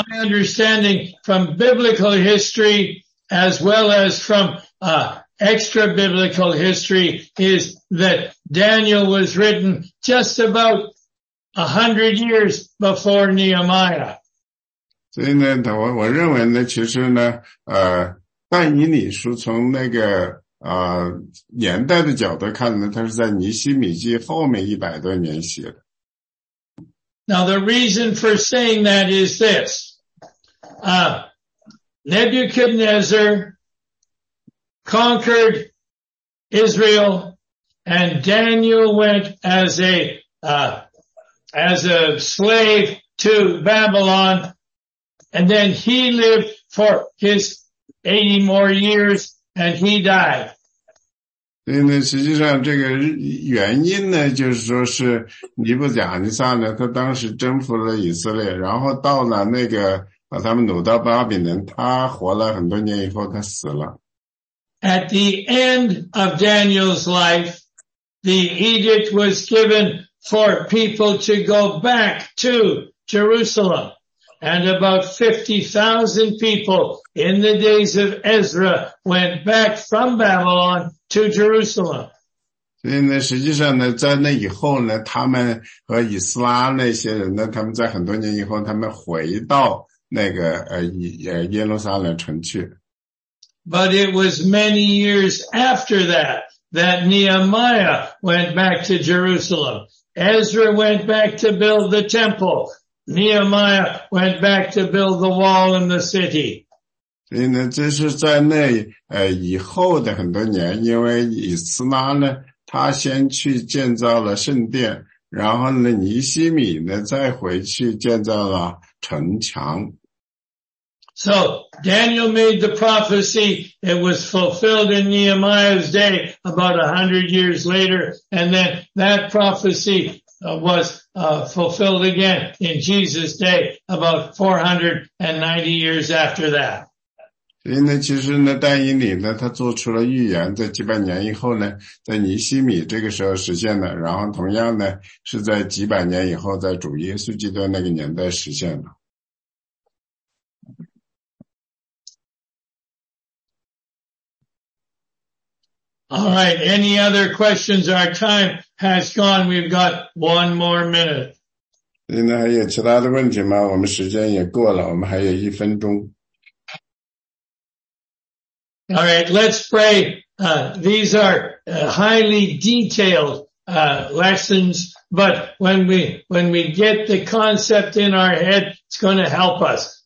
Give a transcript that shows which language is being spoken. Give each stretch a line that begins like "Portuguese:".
English: My understanding from biblical history as well as from, extra biblical history is that Daniel was written just about 100 years before Nehemiah.
Chinese: 所以呢我认为呢其实呢但以理书从那个年代的角度看呢它是在尼希米记后面100多年写的。
English: Now the reason for saying that is this, Nebuchadnezzar,conquered Israel, and Daniel went as a slave to Babylon, and then he lived for his 80 more years, and he died.
Chinese: 所以呢，实际上这个原因呢，就是说是尼布甲尼撒呢，他当时征服了以色列，然后到了那个把他们掳到巴比伦，他活了很多年以后，他死了。
English: At the end of Daniel's life, the edict was given for people to go back to Jerusalem. And about 50,000 people in the days of Ezra went back from Babylon to Jerusalem.
Chinese: 所以呢实际上呢在那以后呢他们和以斯拉那些人呢他们在很多年以后他们回到那个耶路撒冷城去。
English: But it was many years after that Nehemiah went back to Jerusalem. Ezra went back to build the temple. Nehemiah went back to build the wall in the city.
Chinese: 所以呢这是在那以后的很多年因为以斯拉呢他先去建造了圣殿然后呢尼希米呢再回去建造了城墙。
English: So, Daniel made the prophecy, it was fulfilled in Nehemiah's day about 100 years later, and then that prophecy was fulfilled again in Jesus' day about 490 years after that.
Chinese: 所以呢，其实呢，但以理呢，他做出了预言，在几百年以后呢，在尼西米这个时候实现了，然后同样呢，是在几百年以后，在主耶稣基督那个年代实现了。
English: All right, any other questions? Our time has gone. We've got one more minute.
Chinese: 现在还有其他的问题吗？我们时间也过了，我们还有一分钟。
English: All right, let's pray. These are highly detailed lessons, but when we get the concept in our head, it's going to help us.